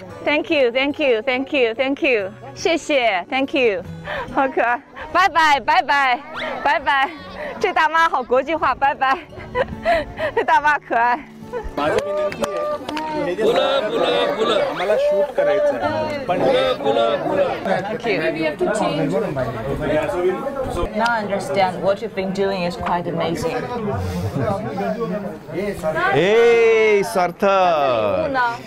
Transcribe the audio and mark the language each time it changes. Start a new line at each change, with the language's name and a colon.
English: Thank you, thank you, thank you, thank you.
Chinese: 谢谢
English: thank you.
Chinese: 好可爱。拜拜拜拜拜拜，这大妈好国际化，拜拜，这大妈可爱。
English: Now I understand what you've been doing is quite amazing. Hey, Sartha.